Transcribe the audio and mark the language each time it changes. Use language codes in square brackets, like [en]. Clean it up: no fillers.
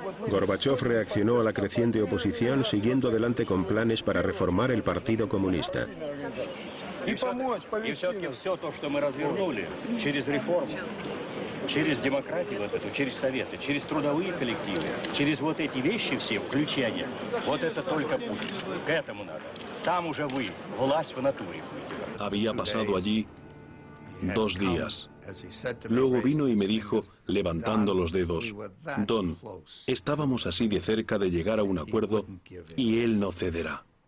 [es] Gorbachev reaccionó a la creciente oposición siguiendo adelante con planes para reformar el Partido Comunista. [ru] И помочь, повести. И все-таки все то, что мы развернули через реформу, через демократию вот эту, через советы, через трудовые коллективы, через вот эти вещи все, включение, вот это только путь. К этому надо. Там уже вы, власть в натуре. [es] Había pasado allí dos días. Luego vino y me dijo, levantando los dedos, Don, estábamos así de cerca de llegar a un acuerdo y él no cederá.